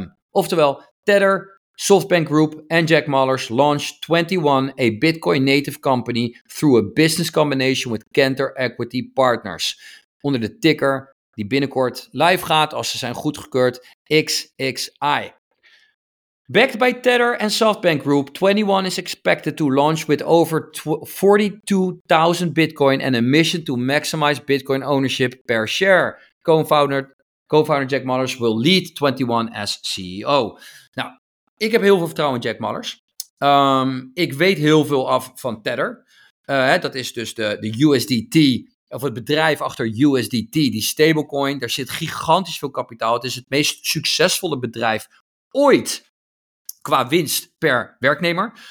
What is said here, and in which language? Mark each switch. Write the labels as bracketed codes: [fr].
[en] Oftewel, Tether, SoftBank Group en Jack Mallers launched 21, a Bitcoin-native company, through a business combination with Cantor Equity Partners. [nl] Onder de ticker die binnenkort live gaat, als ze zijn goedgekeurd, XXI. [en] Backed by Tether and SoftBank Group, 21 is expected to launch with over 42,000 Bitcoin and a mission to maximize Bitcoin ownership per share. Co-founder Jack Mallers will lead 21 as CEO. [nl] Nou, ik heb heel veel vertrouwen in Jack Mallers. Ik weet heel veel af van Tether. Dat is dus de USDT, of het bedrijf achter USDT, die stablecoin. Daar zit gigantisch veel kapitaal. Het is het meest succesvolle bedrijf ooit qua winst per werknemer.